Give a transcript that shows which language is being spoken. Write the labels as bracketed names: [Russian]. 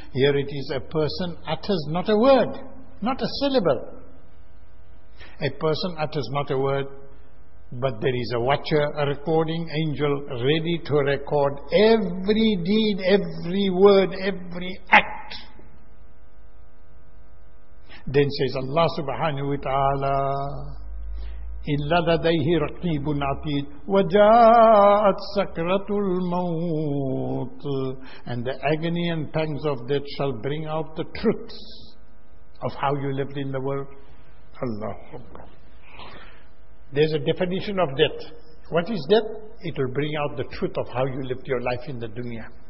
[English] Here it is, a person utters not a word, not a syllable. A person utters not a word, but there is a watcher, a recording angel, ready to record every deed, every word, every act. Then says Allah subhanahu wa ta'ala, [Arabic] إِلَّا لَدَيْهِ رَقِيبٌ عَتِيدٌ وَجَاءَتْ سَكْرَةُ الْمَوْتِ. [English] And the agony and pangs of death shall bring out the truth of how you lived in the world. Allah. There's a definition of death. What is death? It will bring out the truth of how you lived your life in the dunya.